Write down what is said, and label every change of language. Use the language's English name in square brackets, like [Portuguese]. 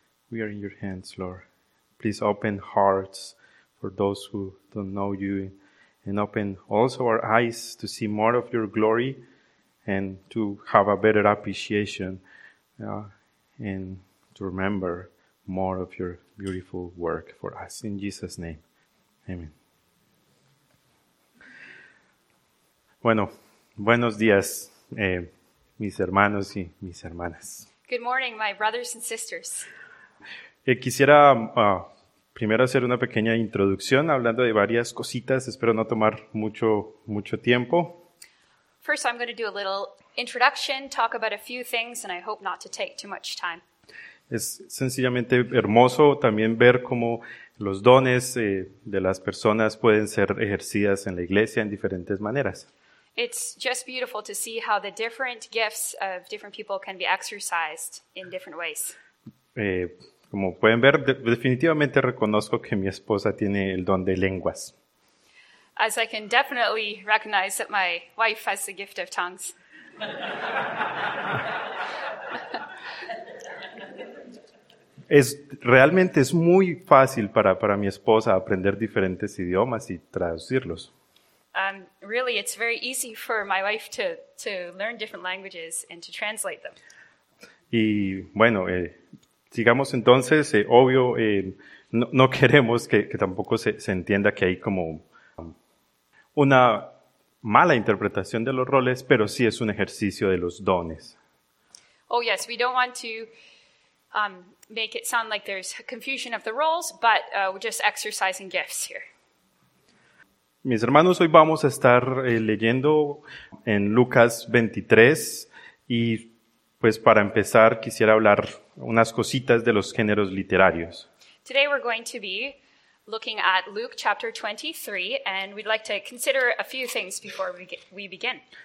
[English] We are in your hands, Lord. Please open hearts for those who don't know you, and open also our eyes to see more of your glory and to have a better appreciation and to remember more of your beautiful work for us. In Jesus' name, amen. [Spanish] Bueno, buenos días, mis hermanos y mis hermanas. [English] Good morning, my brothers and sisters. [Spanish] Quisiera primero hacer una pequeña introducción hablando de varias cositas. Espero no tomar mucho tiempo. [English] First, I'm going to do a little introduction, talk about a few things, and I hope not to take too much time. [Spanish] Es sencillamente hermoso también ver cómo los dones de las personas pueden ser ejercidas en la iglesia en diferentes maneras. [English] It's just beautiful to see how the different gifts of different people can be exercised in different ways. [Spanish] Como pueden ver, definitivamente reconozco que mi esposa tiene el don de lenguas. [English] As I can definitely recognize that my wife has the gift of tongues. [Spanish] Realmente es muy fácil para mi esposa aprender diferentes idiomas y traducirlos. [English] Really, it's very easy for my wife to learn different languages and to translate them. [Spanish] Y bueno, sigamos entonces. Obvio, no queremos que tampoco se entienda que hay como una mala interpretación de los roles, pero sí es un ejercicio de los dones. [English] Oh yes, we don't want to make it sound like there's confusion of the roles, but we're just exercising gifts here. [Spanish] Mis hermanos, hoy vamos a estar leyendo en Lucas 23 y pues para empezar quisiera hablar unas cositas de los géneros literarios. [English] Today we're going to be looking at Luke chapter 23 and we'd like to consider a few things before we begin.